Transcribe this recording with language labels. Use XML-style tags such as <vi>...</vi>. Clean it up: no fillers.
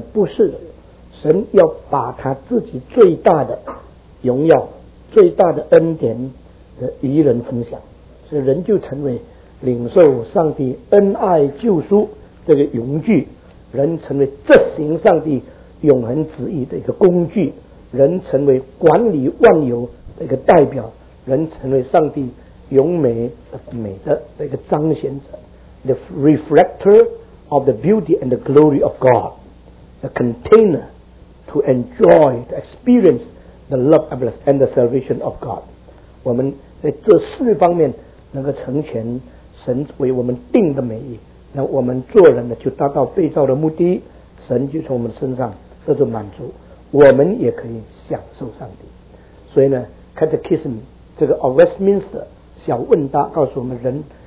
<zh>不是，神要把他自己最大的荣耀、最大的恩典的与人分享，所以人就成为领受上帝恩爱救赎这个荣具，人成为执行上帝永恒旨意的一个工具，人成为管理万有的一个代表，人成为上帝永美美的一个彰显者。</zh> <en>The reflector of the beauty and the glory of God, the container to enjoy, to experience the love of God and the salvation of God.</en> <zh>我们在这四方面能够成全神为我们定的美意，那我们做人呢就达到被造的目的，神就从我们身上得到满足，我们也可以享受上帝。所以呢 ，Catechism 这个 Westminster 小问答告诉我们人。</zh>